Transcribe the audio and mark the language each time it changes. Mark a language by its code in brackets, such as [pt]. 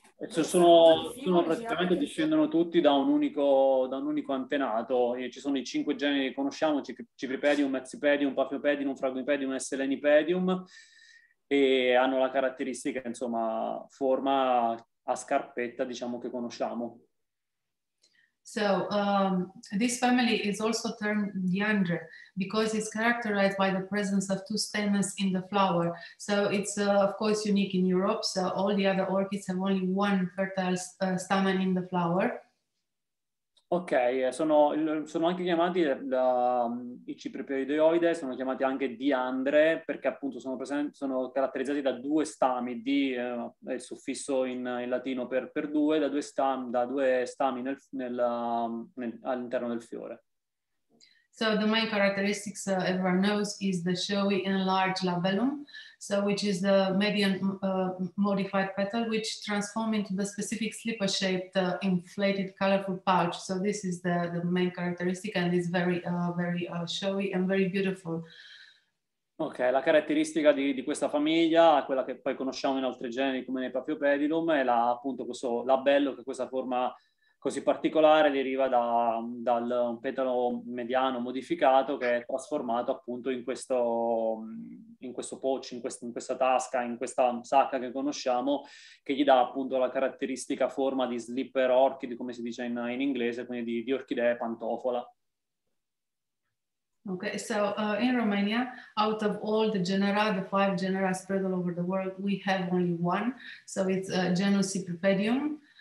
[it] Sono praticamente, discendono tutti da un unico antenato, e ci sono i 5 generi che conosciamo: Cypripedium, Mezzipedium, Paphiopedium, Fragmipedium, Selenipedium, e hanno la caratteristica, insomma, forma a scarpetta, diciamo, che conosciamo. [en] So this family is also termed diandre because it's characterized by the presence of 2 stamens in the flower. So it's of course unique in Europe. So all the other orchids have only 1 fertile stamen in the flower. [it] Ok, sono anche chiamati i Cypripedioidae, sono chiamati anche diandre, perché appunto sono caratterizzati da 2 stami, di è il suffisso in latino per 2, da due stami all'interno del fiore. [en] So the main characteristics everyone knows is the showy enlarged labellum, so which is the median modified petal, which transform into the specific slipper-shaped inflated colorful pouch. So this is the main characteristic, and is very very showy and very beautiful. [it] Ok, la caratteristica di questa famiglia, quella che poi conosciamo in altri generi come nei Paphiopedilum, è appunto questo labello, che questa forma così particolare deriva dal petalo mediano modificato, che è trasformato appunto in questo pouch, in questa tasca, in questa sacca che conosciamo, che gli dà appunto la caratteristica forma di [en] slipper orchid, [it] come si dice in inglese, quindi di orchidea pantofola. [en] Ok, so in Romania, out of all the genera, the 5 genera spread all over the world, we have only 1, so it's genus Cypripedium.